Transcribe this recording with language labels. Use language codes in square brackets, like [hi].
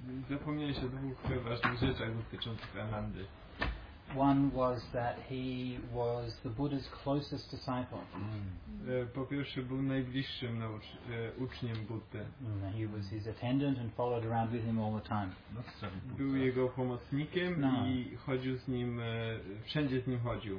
[pl] Zapomniałeś o dwóch ważnych rzeczach dotyczących Anandy. [en] One was that he was the Buddha's closest disciple. Mm. [pl] Po pierwsze, był najbliższym uczniem Buddy. Mm. [en] He was his attendant and followed around with him all the time. [pl] Był jego pomocnikiem i chodził z nim, wszędzie z nim chodził.